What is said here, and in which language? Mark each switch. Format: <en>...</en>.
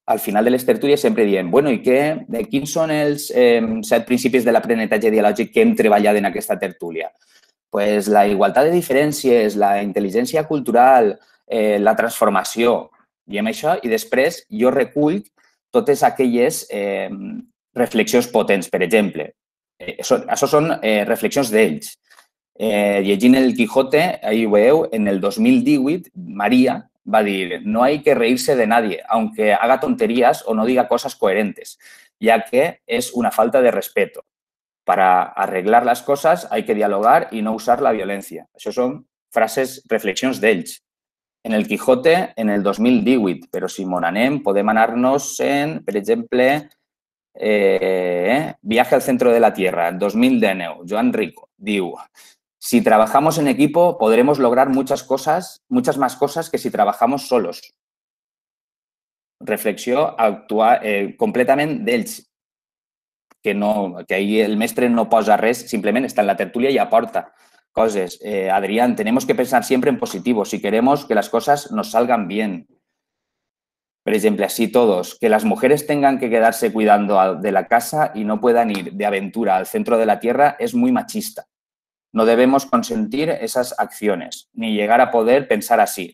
<ca>Al final de les tertúlies sempre diem, bueno, i quins són els 7 principis de l'aprenentatge dialògic que hem treballat en aquesta tertúlia? Doncs la igualtat de diferències, la intel·ligència cultural, la transformació, diem això, i després jo recull totes aquelles reflexions potents, per exemple. Això són reflexions d'ells. Llegint el Quijote, ahí ho veieu, en el 2018, Maria va dir,</ca> <es>no hay que reírse de nadie, aunque haga tonterías o no diga cosas coherentes, ya que es una falta de respeto. Para arreglar las cosas hay que dialogar y no usar la violencia.</es> <ca>Això són frases, reflexions d'ells. En el Quijote, en el 2018, però si mos n'anem, podem anar-nos en, per exemple, Viaje al centro de la Tierra, 2019, Joan Rico, diu...</ca> <es>Si trabajamos en equipo, podremos lograr muchas cosas, muchas más cosas que si trabajamos solos.</es> <ca>Reflexió actual, completament d'ells, que ahí el mestre no posa res, simplement està en la tertúlia i aporta coses.</ca> <es>Adrián, tenemos que pensar siempre en positivo, si queremos que las cosas nos salgan bien. Por ejemplo, así todos, que las mujeres tengan que quedarse cuidando de la casa y no puedan ir de aventura al centro de la Tierra es muy machista. No debemos consentir esas acciones, ni llegar a poder pensar así.</es>